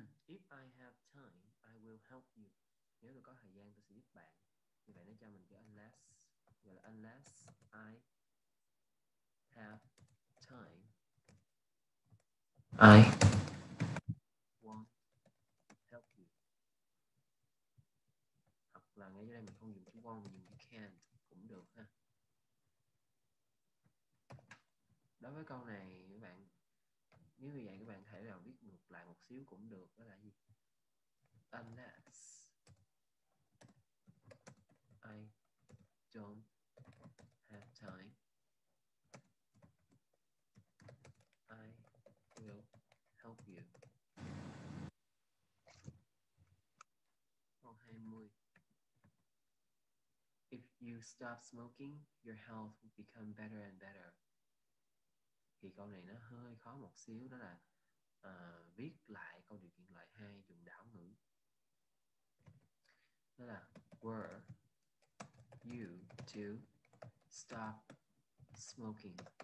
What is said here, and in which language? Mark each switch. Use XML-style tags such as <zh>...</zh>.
<en>If I have time, I will help you.</en> <vi>Nếu tôi có thời gian, tôi sẽ giúp bạn. Như vậy nó cho mình cái unless. Vậy là</vi> <en>unless I have time, I won't help you.</en> <vi>Hoặc là ngay dưới đây mình không dùng chữ won, mình dùng chữ can cũng được ha. Đối với câu này, các bạn, nếu như vậy các bạn thấy là viết ngược lại một xíu cũng được, đó là gì?</vi> <en>Unless I don't have time, I will help you.</en> <vi>Câu 20.</vi> <en>If you stop smoking, your health will become better and better.</en> <vi>Thì câu này nó hơi khó một xíu, đó là viết lại câu điều kiện loại 2 dùng đảo ngữ. Đó là</vi> <en>were you to stop smoking.</en>